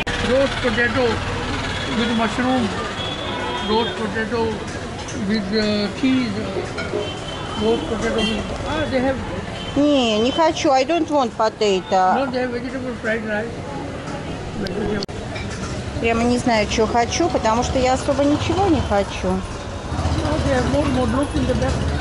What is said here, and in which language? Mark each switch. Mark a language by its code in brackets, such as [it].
[en] Roast potato with mushroom. Roast potato with cheese. Roast potato with... they have... [ru] Не хочу. [en] I don't want potato. No, they have vegetable fried rice. [ru] Прямо не знаю, что хочу, потому что я особо ничего не хочу. [en] No, they have more look in the back.